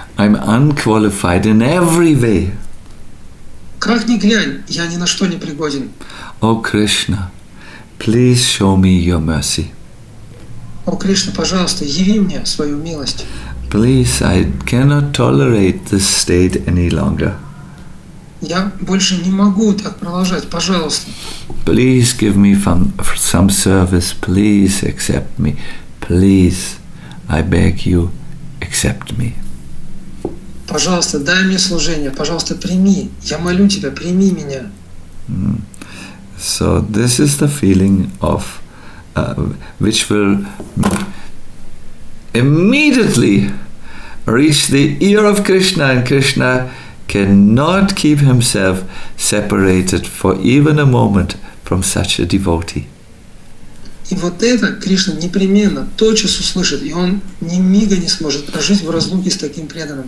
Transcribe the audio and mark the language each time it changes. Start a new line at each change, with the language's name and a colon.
English: I'm unqualified in every way.
Russian: Как ни глянь, я ни на что не пригоден.
English: О, Кришна, please show me your mercy.
Russian: О, Кришна, пожалуйста, яви мне свою милость.
English: Please, I cannot tolerate this state any longer.
Russian: Я больше не могу так продолжать, пожалуйста.
English: Please give me some service. Please accept me. Please, I beg you, accept me.
Russian: Пожалуйста, дай мне служение. Пожалуйста, прими. Я молю тебя, прими меня.
English: So this is the feeling of which will immediately reach the ear of Krishna, and Krishna cannot keep himself separated for even a moment from such a devotee.
Russian: И вот это Кришна непременно тотчас услышит, и он ни мига не сможет прожить в разлуке с таким преданным.